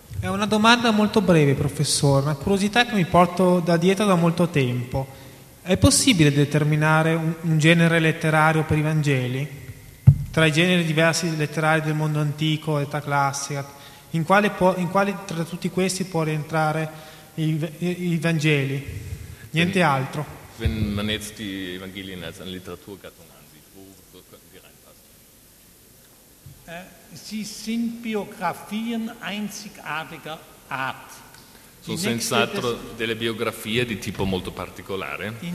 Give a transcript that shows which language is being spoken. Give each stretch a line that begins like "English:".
Italian: È una domanda molto breve, professore, una curiosità che mi porto da dietro da molto tempo. È possibile determinare un genere letterario per i Vangeli? Tra i generi diversi letterari del mondo antico, età classica, in quale tra tutti questi può rientrare i Vangeli? Niente altro.
German: Wenn man jetzt die Evangelien als eine Literaturgattung ansieht, wo könnten die reinpassen? Sie sind Biografien einzigartiger Art. So sind es
Italian: altro delle biografie di tipo molto particolare.